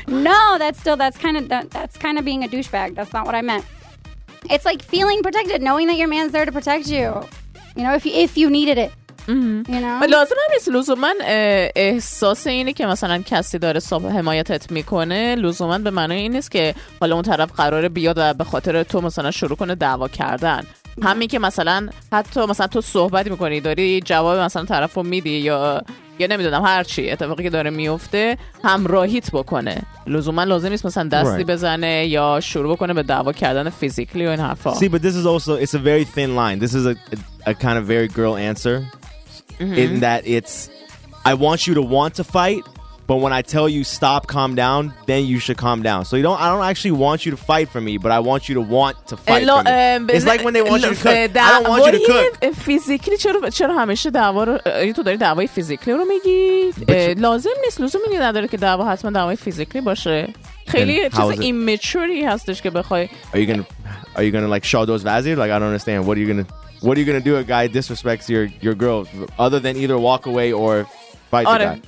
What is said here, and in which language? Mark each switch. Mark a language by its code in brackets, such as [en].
[en] No, that's kind of being a douchebag. That's not what I meant. It's like feeling protected, knowing that your man's there to protect you. you know, if you needed it. [fa] لازم نیست لزوما احساس اینی که مثلا کسی داره حمایتت میکنه لزوما به معنی این نیست که حالا اون طرف قراره بیاد و به خاطر تو مثلا شروع کنه دعوا کردن. همین که مثلا حتی مثلا تو صحبت میکنی داری جواب مثلا طرفو میدی یا نمیدونم هر چی اتفاقی که داره میفته همراهیت بکنه، لزوما لازم نیست مثلا دستی right. بزنه یا شروع بکنه به دعوا کردن فیزیکلی و این حرفا. [en] See, but this is also it's a very thin line. This is a kind of very girl answer. Mm-hmm. In that it's, I want you to want to fight, but when I tell you stop, calm down, then you should calm down. So I don't actually want you to fight for me, but I want you to want to fight for me. It's like when they want you to cook. I don't want you to cook. [fa] Physically, چرا همیشه دعوا رو یه تو داری دعوای فیزیکلی رو میگی؟ لازم نیست، لزومی نداره که دعوا حتما دعوای فیزیکلی باشه. خیلی چیز immaturity هستش که بخوای. [en] Are you gonna like show those vazir? Like I don't understand. What are you gonna do? A guy disrespects your girl, other than either walk away or fight the guy.